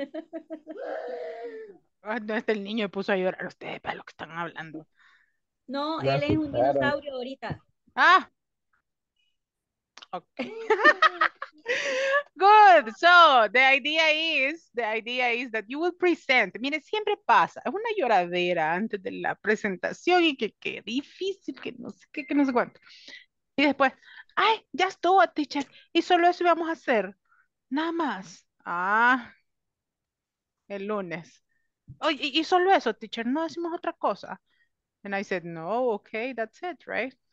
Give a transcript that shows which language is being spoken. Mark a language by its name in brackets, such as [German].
[Spanish] No, hasta el niño puso a llorar. Ustedes, para lo que están hablando. No, él es un dinosaurio ahorita. Ah. Ok. [English] Good. So, the idea is that you will present. [Spanish] Mire, siempre pasa. Es una lloradera antes de la presentación y que difícil, que no sé cuánto. Y después, ay, ya estuvo, teacher. Y solo eso íbamos a hacer. Nada más. Ah. El lunes. Oye, oh, y solo eso, teacher, no hacemos otra cosa. [English] And I said, no, okay, that's it, right?